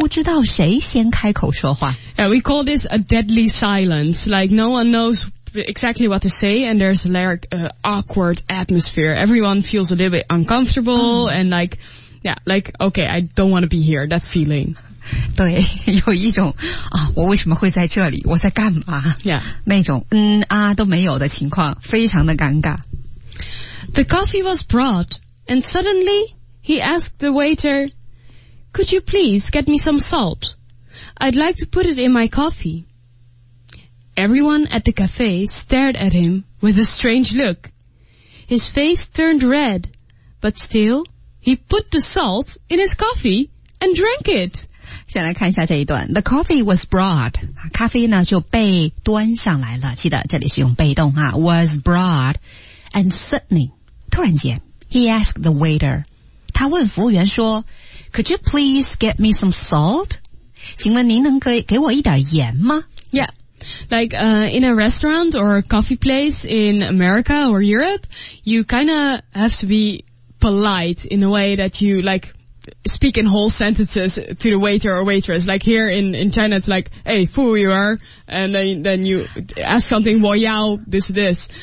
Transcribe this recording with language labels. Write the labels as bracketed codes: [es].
[zh] 不知道谁先开口说话 [en] yeah, We call this a deadly silence Like no one knows exactly what to say, and there's a lyric, awkward atmosphere. Everyone feels a little bit uncomfortable, and like, yeah, like, okay, I don't want to be here, that feeling. [zh] 对，有一种啊，我为什么会在这里？我在干嘛？ [en] Yeah. [zh] 那种嗯啊都没有的情况，非常的尴尬。 [en] The coffee was brought, and suddenly he asked the waiter, "Could you please get me some salt? I'd like to put it in my coffee." Everyone at the cafe stared at him with a strange look. His face turned red, but still he put the salt in his coffee and drank it. [zh] 先来看一下这一段 [en] The coffee was brought [zh] 咖啡呢就被端上来了记得这里是用被动啊 [en] Was brought And suddenly [zh] 突然间 [en] He asked the waiter [zh] 他问服务员说 [en] Could you please get me some salt? [zh] 请问您能给我一点盐吗 [en] Yeah Like in a restaurant or a coffee place in America or Europe You kind of have to be polite in a way that you likeSpeak in whole sentences to the waiter or waitress. Like here in China, it's like, hey, fu, you are. And then you ask something, [zh] wo yao, [en] this, this.